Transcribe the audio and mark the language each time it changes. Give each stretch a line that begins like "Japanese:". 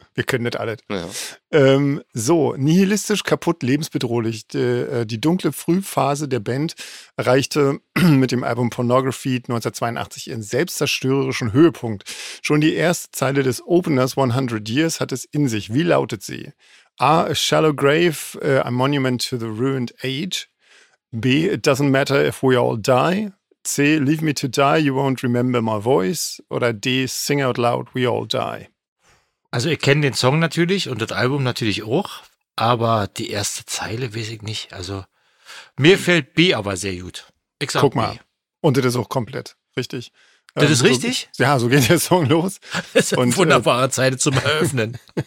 German: Wir können nicht alles. Ja. So, nihilistisch, kaputt, lebensbedrohlich. Die dunkle Frühphase der Band erreichte mit dem Album Pornography 1982 ihren selbstzerstörerischen Höhepunkt. Schon die erste Zeile des Openers 100 Years hat es in sich. Wie lautet sie?
English: A, a shallow grave, a monument to the ruined age. B, it doesn't matter if we all die. C, leave me to die, you won't remember my voice.
German: Oder
English: D, sing out loud, we all die.
German: Also ich kenne den Song natürlich und das Album natürlich auch, aber die erste Zeile weiß ich nicht. Also mir fällt B aber sehr gut. Exakt. Guck mal, und das ist auch komplett richtig. Das ist richtig? So, ja, so geht der Song los. Das ist eine wunderbare Zeile zum Eröffnen.